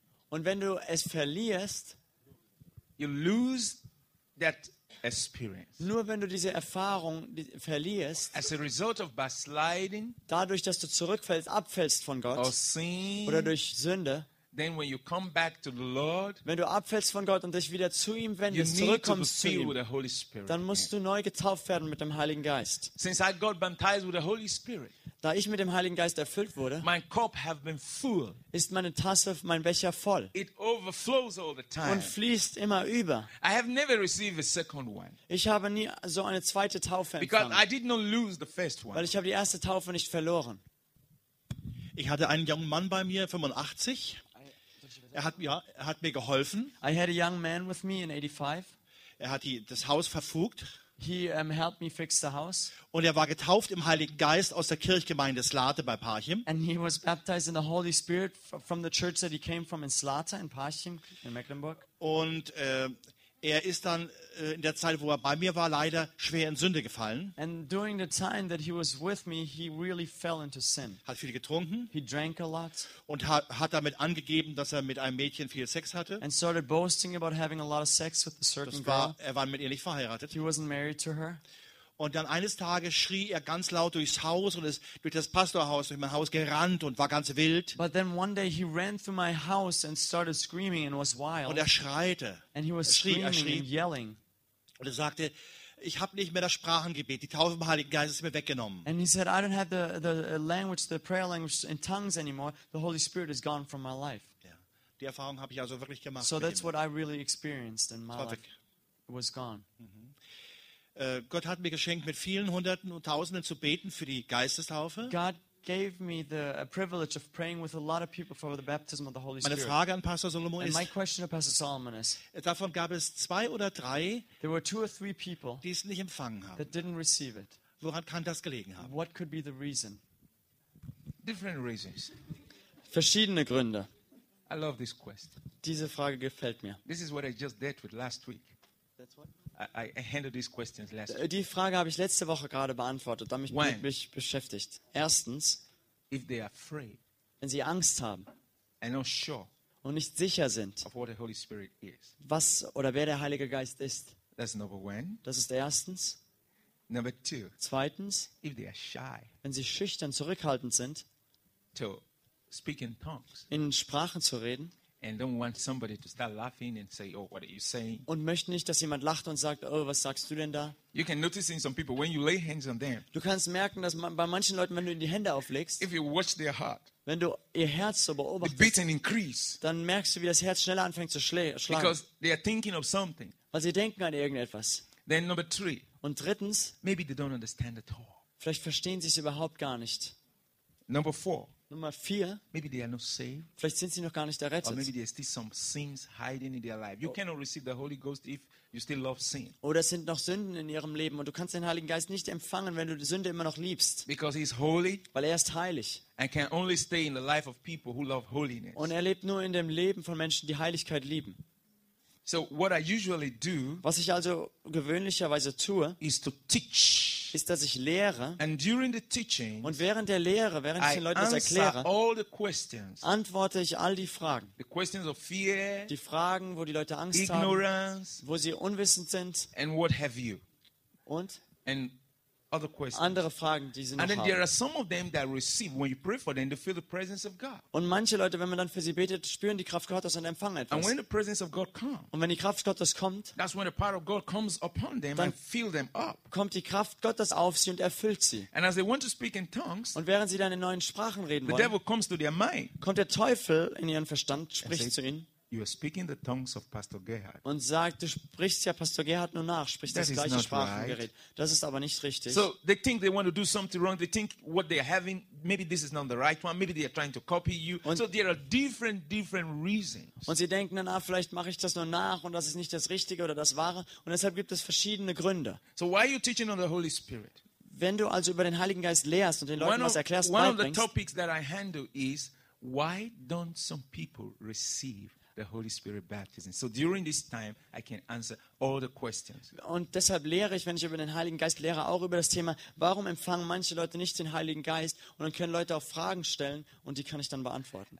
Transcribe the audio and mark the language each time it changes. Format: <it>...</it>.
<de>und wenn du es verlierst,</de> <en>you lose that experience.</en> <de>Nur wenn du diese Erfahrung verlierst,</de> <en>as a result of backsliding,</en> <de>dadurch, dass du zurückfällst, abfällst von Gott,</de> <en>or sin,</en> <de>oder durch Sünde,</de> <en>then when you come back to the Lord,</en> <de>wenn du abfällst von Gott und dich wieder zu ihm wendest, zurückkommst zu ihm,</de> <en>with the Holy Spirit,</en> <de>dann musst du neu getauft werden mit dem Heiligen Geist.</de> <en>Since I got baptized with the Holy Spirit,</en> <de>da ich mit dem Heiligen Geist erfüllt wurde,</de> <en>my cup have been full,</en> <de>ist meine Tasse, mein Becher voll.</de> <en>It overflows all the time.</en> <de>Und fließt immer über.</de> <en>I have never received a second one.</en> <de>Ich habe nie so eine zweite Taufe</de> <en>because</en> <de>empfangen.</de> <en>I did not lose the first one.</en> <de>Weil ich habe die erste Taufe nicht verloren. Ich hatte einen jungen Mann bei mir, 85. Er hat mir geholfen.</de> <en>I had a young man with me in 85.</en> <de>Er hat das Haus verfugt.</de> <en>He helped me fix the house.</en> <de>Und er war getauft im Heiligen Geist aus der Kirchgemeinde Slate bei Parchim.</de> <en>And he was baptized in the Holy Spirit from the church that he came from in Slate in Parchim in Mecklenburg.</en> <de>Und er ist dann in der Zeit, wo er bei mir war, leider schwer in Sünde gefallen.</de> <en>And during the time that he was with me, he really fell into sin.</en> <de>Hat viel getrunken.</de> <en>He drank a lot.</en> <de>Und hat damit angegeben, dass er mit einem Mädchen viel Sex hatte.</de> <en>And started boasting about having a lot of sex with a certain girl.</en> <de>Er war mit ihr nicht verheiratet.</de> <en>He wasn't married to her.</en> <de>Und dann eines Tages schrie er ganz laut durchs Haus und ist durch das Pastorhaus, durch mein Haus gerannt und war ganz wild.</de> <en>But then one day he ran through my house and started screaming and was wild.</en> <de>Und er schreite.</de> <en>And he was screaming and yelling.</en> <de>Und er sagte, ich habe nicht mehr das Sprachengebet, die Taufe im Heiligen Geist ist mir weggenommen.</de> <en>And he said, I don't have the language, the prayer language in tongues anymore. The Holy Spirit is gone from my life.</en> <de>Ja. Die Erfahrung habe ich also wirklich gemacht.</de> <en>So that's what I really experienced in my life. It was gone.</en> <de>Gott hat mir geschenkt, mit vielen Hunderten und Tausenden zu beten für die Geistestaufe.</de> <en>God gave me the privilege of praying with a lot of people for the baptism of the Holy Spirit.</en> <de>Meine Frage an Pastor Solomon ist,</de> <en>and my question to Pastor Solomon is,</en> <de>davon gab es zwei oder drei,</de> <en>there were two or three people,</en> <de>die es nicht empfangen haben.</de> <en>That didn't receive it.</en> <de>Woran kann das gelegen haben?</de> <en>What could be the reason? Different reasons.</en> <de>Verschiedene Gründe.</de> <en>I love this question.</en> <de>Diese Frage gefällt mir.</de> <en>This is what I just dealt with last week. That's what? I handled these questions last week.</en> <de>Die Frage habe ich letzte Woche gerade beantwortet, damit mich beschäftigt. Erstens,</de> <en>if they are afraid,</en> <de>wenn sie Angst haben</de> <en>and not sure,</en> <de>und nicht sicher sind,</de> <en>of what the Holy Spirit is,</en> <de>was oder wer der Heilige Geist ist,</de> <en>that's number one.</en> <de>Das ist erstens.</de> <en>Number two,</en> <de>zweitens,</de> <en>if they are shy,</en> <de>wenn sie schüchtern, zurückhaltend sind,</de> <en>to speak in tongues,</en> <de>in Sprachen zu reden,</de> <en>and don't want somebody to start laughing and say, oh, what are you saying?</en> <de>Und möchte nicht, dass jemand lacht und sagt, oh, was sagst du denn da?</de> <en>You can notice in some people when you lay hands on them.</en> <de>Du kannst merken, dass bei manchen Leuten, wenn du ihnen die Hände auflegst,</de> <en>if you watch their heart,</en> <de>wenn du ihr Herz so beobachtest,</de> <en>the beating increase,</en> <de>dann merkst du, wie das Herz schneller anfängt zu schlagen.</de> <en>Because they are thinking of something.</en> <de>Weil sie denken an irgendetwas.</de> <en>Then number three.</en> <de>Und drittens,</de> <en>maybe they don't understand at all.</en> <de>Vielleicht verstehen sie es überhaupt gar nicht.</de> <en>Number four.</en> <de>Nummer vier.</de> <en>Maybe they are not saved.</en> <de>Vielleicht sind sie noch gar nicht errettet.</de> <en>Or maybe there are still some sins hiding in their life. You cannot receive the Holy Ghost if you still love sin.</en> <de>Oder es sind noch Sünden in ihrem Leben und du kannst den Heiligen Geist nicht empfangen, wenn du die Sünde immer noch liebst.</de> <en>Because he is holy.</en> <de>Weil ist heilig.</de> <en>And can only stay in the life of people who love holiness.</en> <de>Und lebt nur in dem Leben von Menschen, die Heiligkeit lieben.</de> <en>So what I usually do.</en> <de>Was ich also gewöhnlicherweise tue,</de> <en>is to teach.</en> <de>Ist, dass ich lehre.</de> <en>And during the teaching,</en> <de>und während der Lehre, während ich den Leuten das erkläre, antworte ich all die Fragen.</de> <en>The questions of fear,</en> <de>die Fragen, wo die Leute Angst</de> <en>ignorance,</en> <de>haben, wo sie unwissend sind.</de> <en>And what have you?</en> <de>Und</de> <en>and other questions.</en> <de>Andere Fragen, die sie noch</de> <en>and then</en> <de>haben.</de> <en>There are some of them that receive when you pray for them, they feel the presence of God.</en> <de>Und manche Leute, wenn man dann für sie betet, spüren die Kraft Gottes und empfangen etwas.</de> <en>And when the presence of God comes,</en> <de>und wenn die Kraft Gottes kommt,</de> <en>that's when the power of God comes upon them and fill them up.</en> <de>Kommt die Kraft Gottes auf sie und erfüllt sie.</de> <en>And as they want to speak in tongues,</en> <de>und während sie dann in neuen Sprachen reden wollen,</de> <en>the devil comes to their mind,</en> <de>kommt der Teufel in ihren Verstand, spricht zu ihnen.</de> <en>You are speaking the tongues of Pastor Gerhard.</en> <de>Und sagt, du sprichst ja Pastor Gerhard nur nach, sprichst</de> <en>that</en> <de>das gleiche Sprachengerät.</de> <en>Right.</en> <de>Das ist aber nicht richtig.</de> <en>So they think they want to do something wrong. They think what they are having, maybe this is not the right one. Maybe they are trying to copy you.</en> <de>Und</de> <en>so there are different reasons.</en> <de>Und sie denken, na, vielleicht mache ich das nur nach und das ist nicht das Richtige oder das Wahre. Und deshalb gibt es verschiedene Gründe.</de> <en>So why are you teaching on the Holy Spirit?</en> <de>Wenn du also über den Heiligen Geist lehrst und den Leuten was erklärst,</de> <en>one of the topics that I handle is why don't some people receive the Holy Spirit baptism. So during this time I can answer all the questions.</en> <de>Und deshalb lehre ich, wenn ich über den Heiligen Geist lehre, auch über das Thema, warum empfangen manche Leute nicht den Heiligen Geist, und dann können Leute auch Fragen stellen und die kann ich dann beantworten.</de>